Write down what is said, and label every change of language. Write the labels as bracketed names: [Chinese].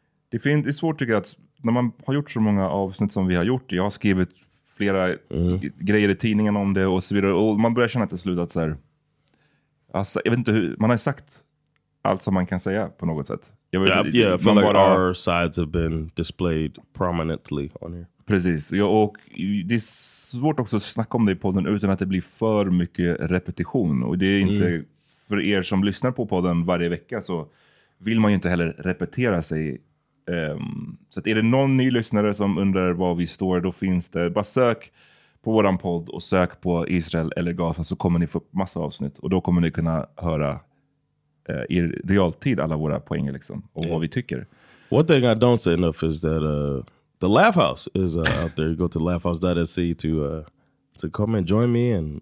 [Swedish] Det är svårt tycker jag att när man har gjort så många avsnitt som vi har gjort, jag har skrivit flera grejer i tidningen om det och så vidare, och man börjar känna att det slutat så här. Alltså, jag vet inte hur, man har sagt allt som man kan säga på något sätt. [English] I feel like our sides have been displayed prominently on here. [Swedish] Precis. Ja, och det är svårt också att snacka om det i podden utan att det blir för mycket repetition. Och det är inte för er som lyssnar på podden varje vecka så vill man ju inte heller repetera sig. Så att är det någon ny lyssnare som undrar var vi står, då finns det, bara sök på våran podd och sök på Israel eller Gaza, så kommer ni få massa avsnitt och då kommer ni kunna höra i realtid alla våra poänger liksom, och vad vi tycker. [English] One thing I don't say enough is that the Laugh House is out there. Go to laughhouse.se to come and join me and